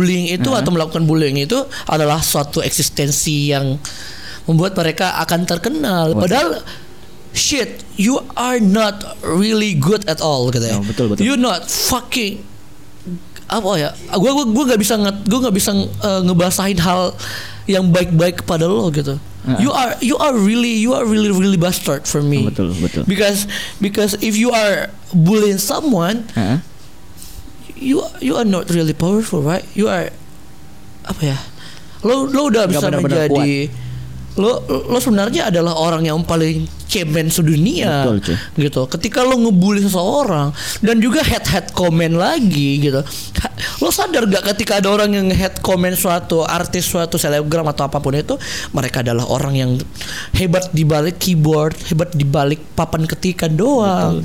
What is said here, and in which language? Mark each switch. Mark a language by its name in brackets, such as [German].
[Indonesian] itu atau melakukan bullying itu adalah suatu eksistensi yang membuat mereka akan terkenal. Betul. Padahal [English] shit, you are not really good at all, [Indonesian] gitu ya. Betul betul. [English] You not fucking [Indonesian] apa ya, gue nggak bisa ngebahasain hal yang baik-baik kepada lo gitu. [English] You are really bastard for me. [Indonesian] Betul betul. [English] Because if you are bullying someone, you are not really powerful, right? You are [Indonesian] apa ya, lo udah bisa menjadi lo sebenarnya adalah orang yang paling cemen sedunia. Betul, gitu. Ketika lo ngebully seseorang dan juga head comment lagi gitu, lo sadar gak ketika ada orang yang head comment suatu artis, suatu selebgram atau apapun itu, mereka adalah orang yang hebat di balik keyboard, hebat di balik papan ketikan doang.